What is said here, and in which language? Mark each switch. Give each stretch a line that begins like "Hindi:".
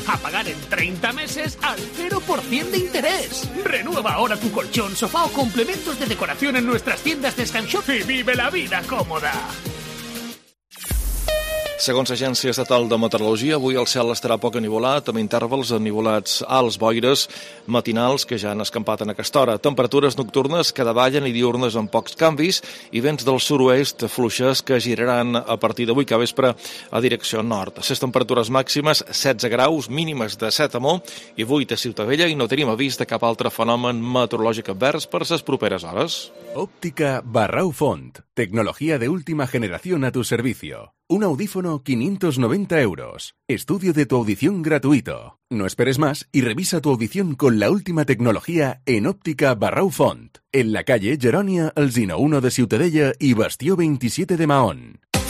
Spanish: A pagar en 30 meses al 0% de interés. Renueva ahora tu colchón, sofá o complementos de decoración en nuestras tiendas de Scanshop y vive la vida cómoda.
Catalan: Segons l'Agència Estatal de Meteorologia, avui el cel estarà poc anivolat, amb intervals anivolats als boires matinals que ja han escampat en aquesta hora. Temperatures nocturnes que davallen i diurnes amb pocs canvis i vents del sud-oest fluixes que giraran a partir d'avui que vespre a direcció nord. Les temperatures màximes, 16 graus, mínimes de 7 a Mont i 8 a Ciutadella, i no tenim avís de cap altre fenomen meteorològic advers per les properes hores.
Spanish: Óptica Barrau Font. Tecnología de última generación a tu servicio. Un audífono 590 euros. Estudio de tu audición gratuito. No esperes más y revisa tu audición con la última tecnología en Óptica Barrau Font. En la calle Geronia, Alzina 1 de Ciutadella y Bastió 27 de Mahón.